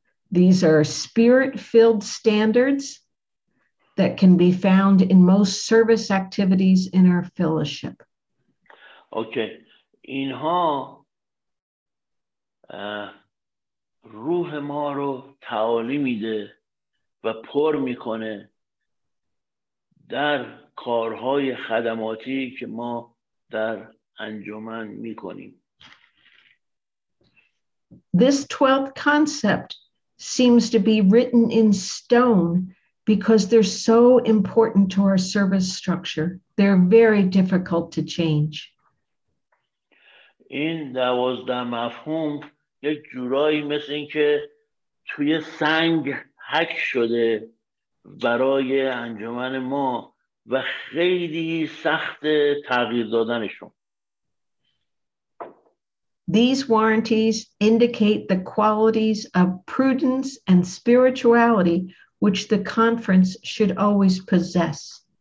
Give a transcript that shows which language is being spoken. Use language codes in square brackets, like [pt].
[en] These are spirit-filled standards that can be found in most service activities in our fellowship. Okay. [fa] اینها روح ما رو تعالی میده و پر میکنه در کارهای خدماتی که ما در انجمن میکنیم. [en] This 12th concept seems to be written in stone because they're so important to our service structure. They're very difficult to change. [fa] این دوازده مفهوم یک جورایی مثل این که توی سنگ حک شده برای انجمن ما و خیلی سخت تغییر دادنشون. [en] These warranties indicate the qualities of prudence and spirituality which the conference should always possess.